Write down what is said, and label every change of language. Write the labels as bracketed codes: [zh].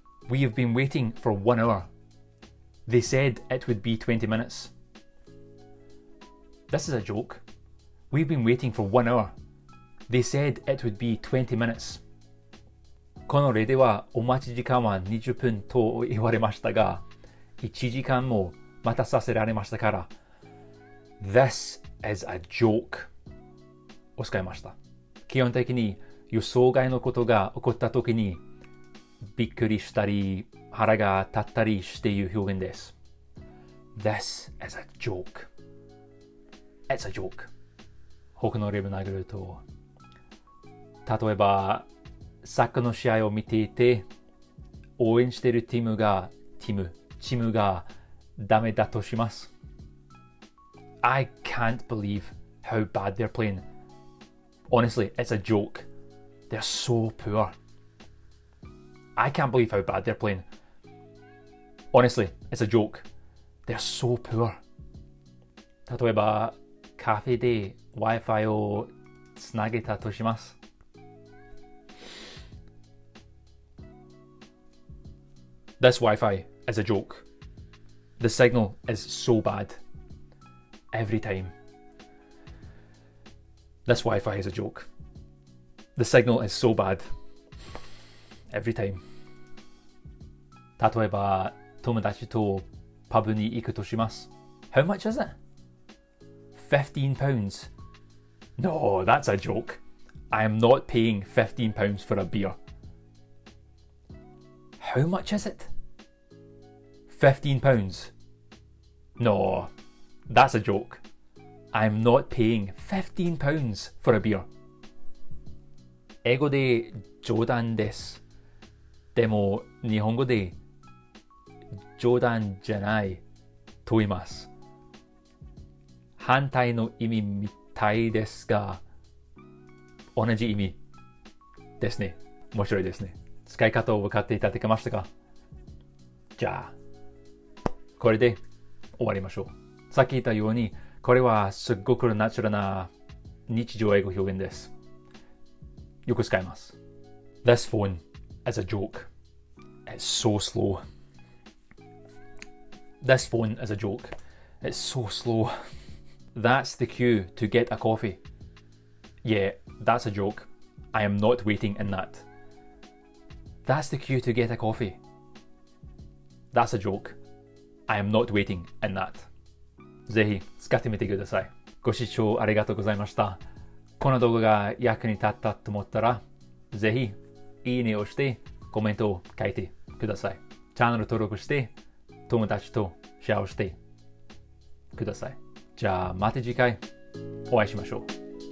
[en] We have been waiting for 1 hour. They said it would be 20 minutes. This is a joke. We've been waiting for 1 hour. They said it would be 20 minutes. [ja] この例ではお待ち時間は20分と言われましたが、1時間も待たさせられましたから、 [en] This is a joke [ja] を使いました。基本的に予想外のことが起こった時にびっくりしたり腹が立ったりしている表現です。 [en] This is a joke. It's a joke. [ja] 僕の例文を挙げると、例えば、サッカーの試合を見ていて、応援しているチームがダメだとします。 [en] I can't believe how bad they're playing. Honestly, it's a joke. They're so poor. I can't believe how bad they're playing. Honestly, it's a joke. They're so poor. [ja] 例えば、カフェで Wi-Fi をつなげたとします。 [en] This Wi-Fi is a joke. The signal is so bad. Every time. This Wi-Fi is a joke. The signal is so bad. Every time. [ja] 例えば、友達とパブに行くとします。 [en] How much is it? £15. No, that's a joke. I am not paying £15 for a beer. How much is it? £15. No, that's a joke. I am not paying £15 for a beer. [ja] 英語で冗談です。でも日本語で冗談じゃないと言います。反対の意味みたいですが、同じ意味ですね。面白いですね。使い方を分かっていただけましたか？じゃあ、これで終わりましょう。さっき言ったように、これはすごくナチュラルな日常英語表現です。よく使います。 [en] This phone is a joke. It's so slow. This phone is a joke. It's so slow. That's the queue to get a coffee. Yeah, that's a joke. I am not waiting in that. That's the queue to get a coffee. That's a joke. I am not waiting in that. [ja] ぜひ使ってみてください。ご視聴ありがとうございました。この動画が役に立ったと思ったら、ぜひいいねをしてコメントを書いてください。チャンネル登録して友達とシェアをしてください。じゃあ、また次回お会いしましょう。